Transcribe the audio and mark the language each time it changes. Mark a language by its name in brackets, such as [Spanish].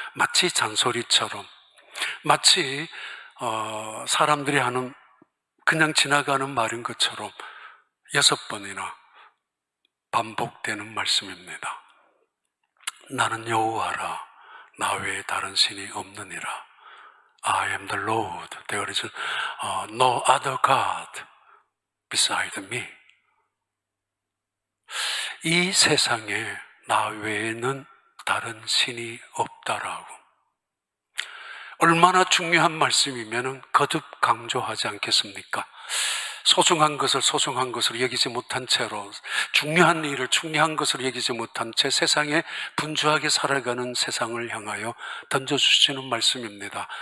[Korean] 마치 잔소리처럼, 마치 사람들이 하는 그냥 지나가는 말인 것처럼 6번이나 반복되는 말씀입니다. 나는 여호와라, 나 외에 다른 신이 없느니라. [English] I am the Lord, there is no other God beside me. [Korean] 이 세상에 나 외에는 다른 신이 없다라고. 얼마나 중요한 말씀이면 거듭 강조하지 않겠습니까? 소중한 것을 여기지 못한 채로, 중요한 일을 중요한 것을 여기지 못한 채 세상에 분주하게 살아가는 세상을 향하여 던져주시는 말씀입니다.